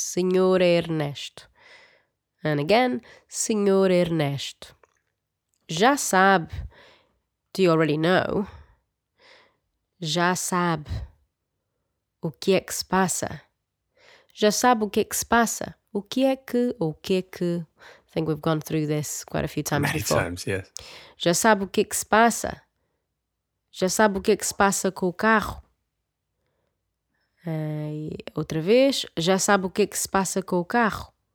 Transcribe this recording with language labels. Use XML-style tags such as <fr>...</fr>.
<pt>Senhor Ernesto.</pt> <en>And again,</en> <pt>Senhor Ernesto. Já sabe.</pt> <en>Do you already know?</en> <pt>Já sabe. O que é que se passa? Já sabe o que é que se passa? O que é que? O que é que?</pt> <en>I think we've gone through this quite a few times Many before. Many times, yes.</en> <pt>Já sabe o que é que se passa? Já sabe o que é que se passa com o carro? Outra vez. Já sabe o que é que se passa com o carro?</pt>